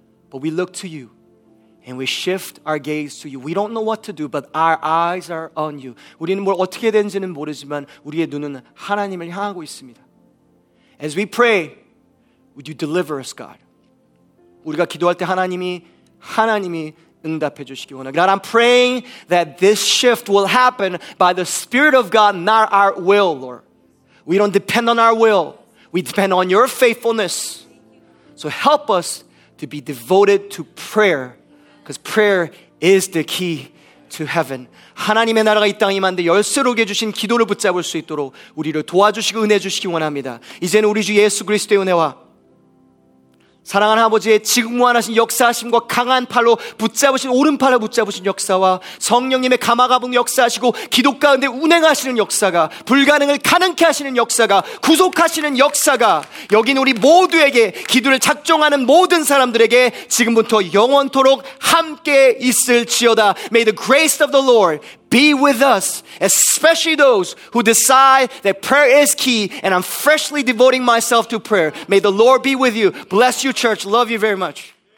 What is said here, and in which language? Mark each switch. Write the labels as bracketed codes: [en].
[en] But we look to you and we shift our gaze to you. We don't know what to do, but our eyes are on you. [ko] 우리는 뭘 어떻게 되는지는 모르지만 우리의 눈은 하나님을 향하고 있습니다. [en] As we pray, would you deliver us, God? [ko] 우리가 기도할 때 하나님이 응답해 주시기 원합니다. [en] God, I'm praying that this shift will happen by the Spirit of God, not our will, Lord. We don't depend on our will. We depend on your faithfulness. So help us to be devoted to prayer. Because prayer is the key to heaven. [ko] 하나님의 나라가 이 땅에 임한데 열쇠로 주신 기도를 붙잡을 수 있도록 우리를 도와주시고 은혜 주시기 원합니다. 이제는 우리 주 예수 그리스도의 은혜와 사랑하는 아버지의 지금 무한하신 역사하심과 강한 팔로 붙잡으신 오른팔로 붙잡으신 역사와 성령님의 가마가붕 역사하시고 기도 가운데 운행하시는 역사가 불가능을 가능케 하시는 역사가 구속하시는 역사가 여긴 우리 모두에게 기도를 작정하는 모든 사람들에게 지금부터 영원토록 함께 있을지어다. [en] May the grace of the Lord be with us, especially those who decide that prayer is key, and I'm freshly devoting myself to prayer. May the Lord be with you. Bless you, church. Love you very much.